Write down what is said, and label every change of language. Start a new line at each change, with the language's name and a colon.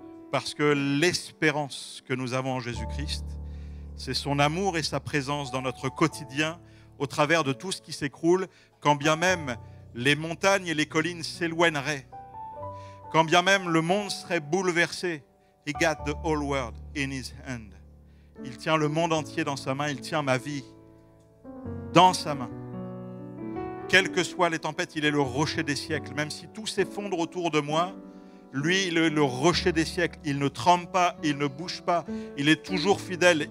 French: Parce que l'espérance que nous avons en Jésus-Christ, c'est son amour et sa présence dans notre quotidien, au travers de tout ce qui s'écroule, quand bien même les montagnes et les collines s'éloigneraient, quand bien même le monde serait bouleversé.
English: He got the whole world in his hand.
French: Il tient le monde entier dans sa main, il tient ma vie dans sa main. Quelles que soient les tempêtes, il est le rocher des siècles. Même si tout s'effondre autour de moi, lui, il est le rocher des siècles. Il ne tremble pas, il ne bouge pas, il est toujours fidèle.